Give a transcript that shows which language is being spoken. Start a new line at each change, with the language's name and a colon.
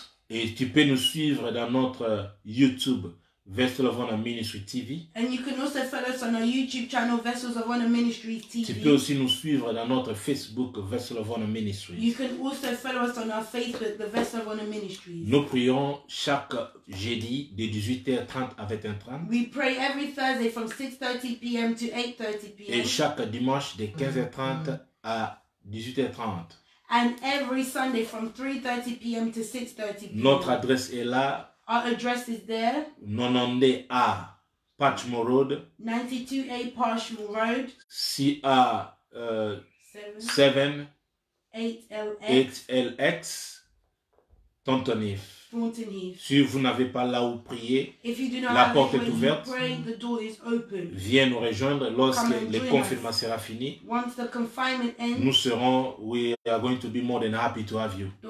French: Et tu peux nous suivre dans notre YouTube.
English: Vessel of Honor Ministry TV. And you can also follow us on our YouTube channel, Vessels of Honor Ministry TV.
French: Tu peux aussi nous suivre dans notre Facebook, Vessel of Honor Ministry.
English: You can also follow us on our Facebook, the Vessel of Honor Ministry.
French: Nous prions chaque jeudi de 18h30 à 21h30.
English: We pray every Thursday from 6:30 p.m. to 8:30 p.m.
French: Et chaque dimanche de 15h30 à 18h30.
English: And every Sunday from 3:30 p.m. to 6:30 p.m.
French: Notre adresse est là.
English: Our address is there. 90A Parchmore Road. 92A Parchmore Road. CR 7 8LX. Tontonif. Fontenif.
French: Si vous n'avez pas là où prier,
English: if you do not
French: la porte est ouverte.
English: Pray, the door is open.
French: Viens nous rejoindre lorsque le confinement sera fini.
English: Once the confinement ends,
French: nous serons,
English: we are going to be more than happy to have you.